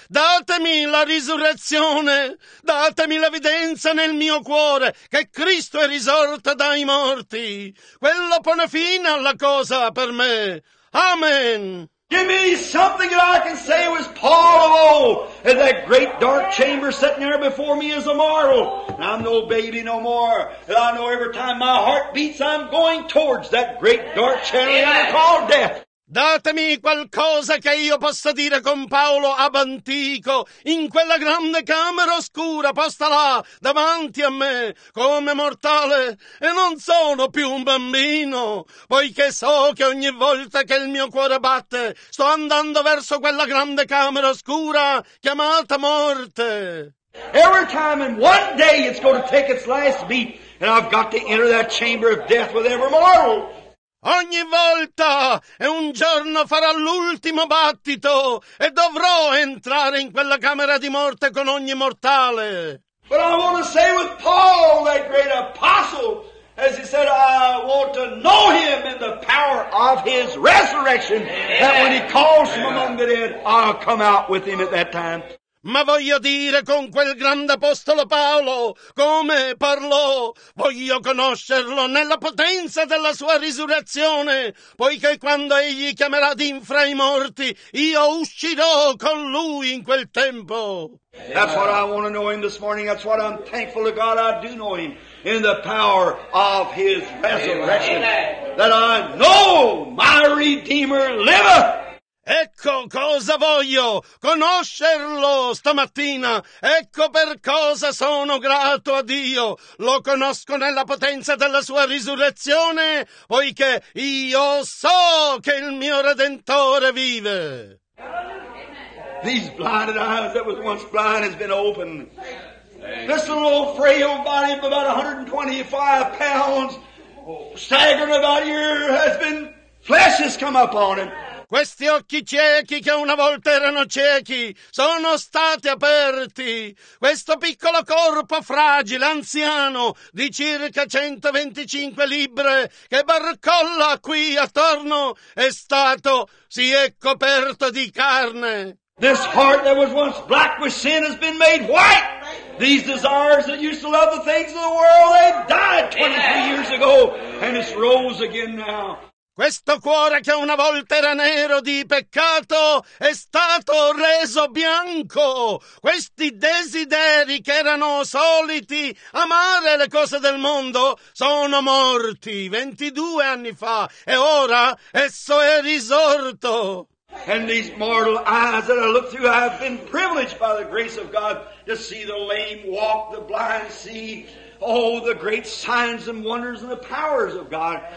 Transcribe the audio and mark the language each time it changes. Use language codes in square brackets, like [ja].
[it] Datemi la risurrezione. Datemi l'evidenza nel mio cuore che Cristo è risorto dai morti. Quello pone fine alla cosa per me. Amen. [en] Give me something that I can say was Paul of old, and that great dark chamber sitting there before me is a marvel. And I'm no baby no more, and I know every time my heart beats, I'm going towards that great dark chamber I call death. [it] Datemi qualcosa che io possa dire con Paolo ab antico, in quella grande camera oscura posta là, davanti a me, come mortale, e non sono più un bambino, poiché so che ogni volta che il mio cuore batte, sto andando verso quella grande camera oscura, chiamata morte. [en] Every time in one day it's going to take its last beat, and I've got to enter that chamber of death with every mortal. [it] Ogni volta e un giorno farà l'ultimo battito e dovrò entrare in quella camera di morte con ogni mortale. [en] But I want to say with Paul, that great apostle, as he said, I want to know him in the power of his resurrection, that when he calls from among the dead, I'll come out with him at that time. [it] Ma voglio dire con quel grande apostolo Paolo, come parlò, voglio conoscerlo nella potenza della sua risurrezione, poiché quando egli chiamerà din fra i morti, io uscirò con lui in quel tempo. [en] That's what I want to know him this morning. That's what I'm thankful to God I do know him in the power of his resurrection. That I know my Redeemer liveth. [it] Ecco cosa voglio, conoscerlo stamattina, ecco per cosa sono grato a Dio, lo conosco nella potenza della sua risurrezione, poiché io so che il mio Redentore vive. [en] These blinded eyes that was once blind has been opened. This little frail body of about 125 pounds, staggering about here, has been, flesh has come upon him. [it] Questi occhi ciechi che una volta erano ciechi sono stati aperti. Questo piccolo corpo fragile, anziano, di circa 125 libbre, che barcolla qui attorno, è stato, si è coperto di carne. [en] This heart that was once black with sin has been made white. These desires that used to love the things of the world, they died 23 years ago and it's rose again now. [it] Questo cuore che una volta era nero di peccato è stato reso bianco. Questi desideri che erano soliti amare le cose del mondo sono morti 22 anni fa e ora esso è risorto. [en] And these mortal eyes that I look through, I have been privileged by the grace of God to see the lame walk, the blind see. Oh, the great signs and wonders and the powers of God.